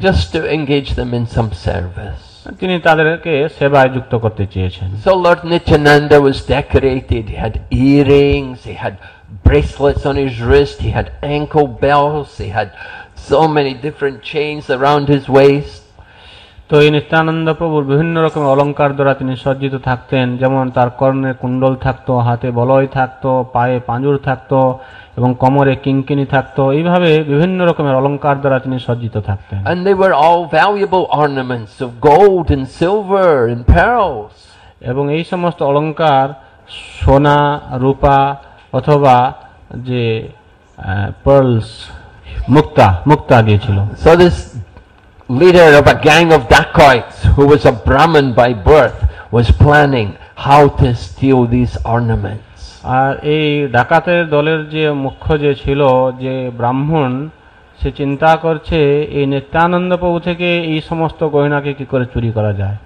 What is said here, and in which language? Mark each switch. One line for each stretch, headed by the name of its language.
English: Just to engage them in some service.
Bangla: Tini taderke sebay jukto korte cheyechen.
English: So Lord Nityananda was decorated. He had earrings, he had bracelets on his wrist, he had ankle bells, he had so many different chains around his waist.
Bangla: তো এই নিত্যানন্দ প্রভুর বিভিন্ন রকম অলঙ্কার দ্বারা তিনি সজ্জিত থাকতেন, যেমন তার কর্ণে কুণ্ডল থাকতো, হাতে বলয় থাকতো, পায়ে পাঁজুর থাকতো এবং কোমরে কিঙ্কিণি থাকতো। এইভাবে বিভিন্ন রকমের অলঙ্কার দ্বারা তিনি সজ্জিত থাকতেন।
English: And they were all valuable ornaments of gold and silver and pearls.
Bangla: এবং এই সমস্ত অলঙ্কার সোনা রূপা অথবা যে pearls মুক্তা দিয়েছিল।
English: So this leader of a gang of dacoits who was a Brahmin by birth was planning how to steal these ornaments.
Bangla: আর এই ডাকাতের দলের যে মুখ্য যে ছিল যে ব্রাহ্মণ, সে চিন্তা করছে এই নিত্যানন্দ প্রভু থেকে এই সমস্ত গহনাকে কি করে চুরি করা যায়।